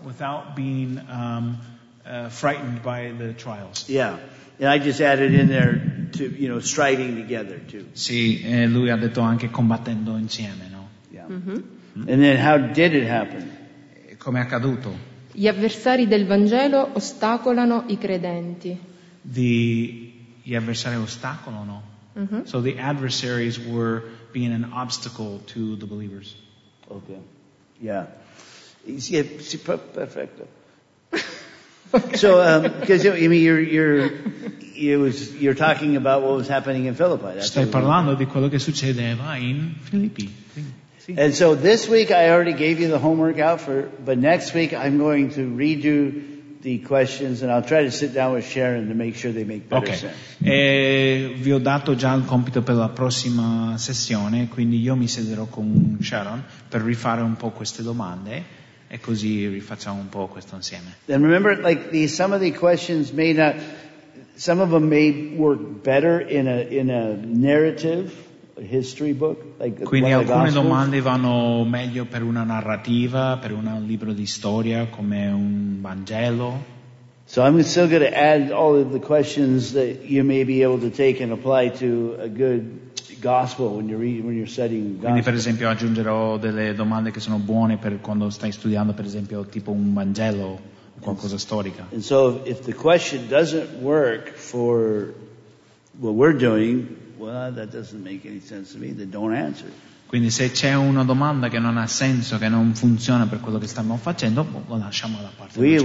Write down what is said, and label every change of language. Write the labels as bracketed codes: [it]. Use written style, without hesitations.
[en] Without being frightened by the trials. Yeah. And I just added in there to, you know, striving together too. [it] Sì, lui ha detto anche combattendo insieme, no? [en] Yeah. Mm-hmm. And then how did it happen? [it] Come è accaduto? Gli avversari del Vangelo ostacolano i credenti. Gli avversari ostacolano. Mm-hmm. [en] So the adversaries were being an obstacle to the believers. Okay. Yeah. [it] Sì, perfetto. [en] So, because I mean, you're talking about what was happening in Philippi. [it] Stai parlando di quello che succedeva in Filippi. [en] And so this week I already gave you the homework out for, but next week I'm going to redo the questions and I'll try to sit down with Sharon to make sure they make better okay. sense. [it] Vi ho dato già il compito per la prossima sessione, quindi io mi sederò con Sharon per rifare un po' queste domande. E così rifacciamo un po' questo insieme. [en] And remember, like some of the questions may not, some of them may work better in a narrative, a history book, like. [it] Quindi alcune domande vanno meglio per una narrativa, per un libro di storia come un Vangelo. [en] So I'm still going to add all of the questions that you may be able to take and apply to a good. Gospel when you're studying gospel. [it] Quindi per esempio aggiungerò delle domande che sono buone per quando stai studiando per esempio tipo un Vangelo o qualcosa storica. [en] And so if the question doesn't work for what we're doing, well that doesn't make any sense to me, then don't answer. [it] Quindi se c'è una domanda che non ha senso, che non funziona per quello che stiamo facendo, lo lasciamo da parte.